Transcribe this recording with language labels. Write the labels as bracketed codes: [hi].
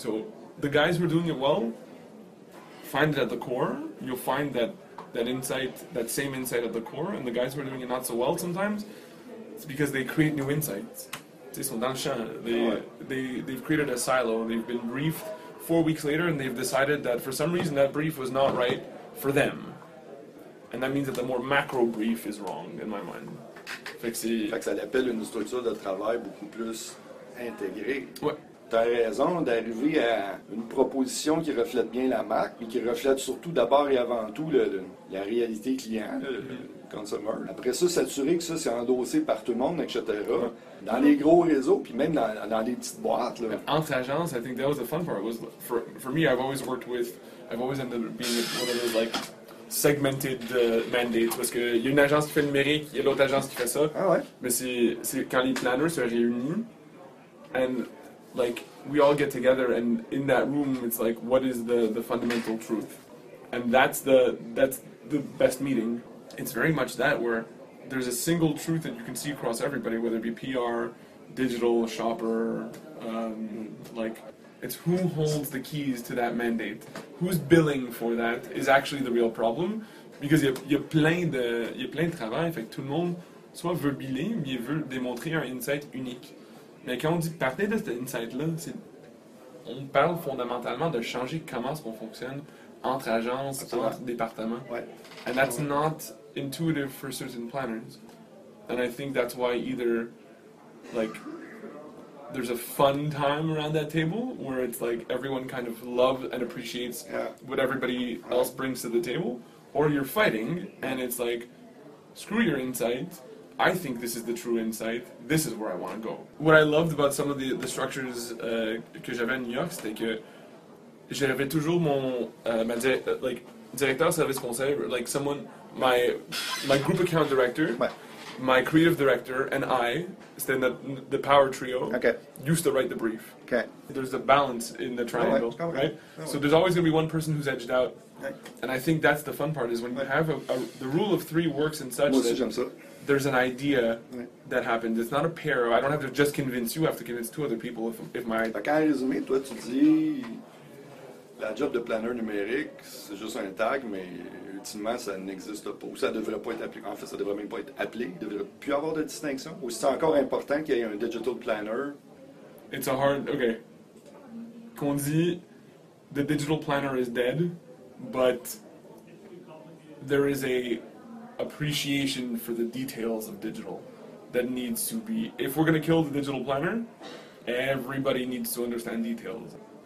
[en] So the guys who are doing it well find it at the core, you'll find that insight, that same insight at the core, and the guys who are doing it not so well sometimes, it's because they create new insights. They [fr] sont dans le champ. [en] They've created a silo. They've been briefed 4 weeks later, and they've decided that for some reason that brief was not right for them. And that means that the more macro brief is wrong in my mind. [fr] Fait que ça l'appelle une structure de travail beaucoup plus intégrée. Ouais. T'as raison d'arriver à une proposition qui reflète bien la marque, mais qui reflète surtout d'abord et avant tout la réalité client. Consumer. Après ça, s'assurer que ça, c'est endossé par tout le monde, etc. Dans les gros réseaux, puis même dans les petites boîtes. Là. Entre agences, [en] I think that was the fun part. For me, I've always ended up being one of those, like, segmented mandates. [fr] Parce qu'il y a une agence qui fait le numérique, il y a l'autre agence qui fait ça. Ah ouais? Mais c'est quand les planners se réunissent, [en] and, like, we all get together, and in that room, it's like, what is the fundamental truth? And that's the best meeting. It's very much that, where there's a single truth that you can see across everybody, whether it be PR, digital, shopper, like, it's who holds the keys to that mandate. Who's billing for that is actually the real problem, because [fr] y a plein de travail, fait que tout le monde soit veut biller, mais veut démontrer un insight unique. Mais quand on dit partir de cet insight-là, c'est, on parle fondamentalement de changer comment est-ce qu'on fonctionne entre agences, absolument, entre départements. Ouais. [en] And that's not intuitive for certain planners, and I think that's why either, like, there's a fun time around that table where it's like everyone kind of loves and appreciates what everybody else brings to the table, or you're fighting and it's like, screw your insight, I think this is the true insight, this is where I want to go. What I loved about some of the structures [fr] que j'avais à New York, c'était que j'avais toujours mon directeur service conseil, [en] like someone. My group account director, my creative director, and I, stand up the power trio, used to write the brief. Okay. There's a balance in the triangle, right? So there's always going to be one person who's edged out. And I think that's the fun part, is when you have the rule of three works in such that there's an idea that happens. It's not a pair. I don't have to just convince you. I have to convince two other people if my... [fr] Fait qu'en résumé, toi, tu dis, la job de planeur numérique, c'est juste un tag, mais... Ultimement, ça n'existe pas, ou ça ne devrait pas être appliqué. En fait, ça ne devrait même pas être appelé. Il ne devrait plus avoir de distinction. Ou c'est encore important qu'il y ait un digital planner? [en] It's a hard... OK. [fr] Qu'on dit, [en] the digital planner is dead, but there is a appreciation for the details of digital that needs to be... If we're going to kill the digital planner, everybody needs to understand details.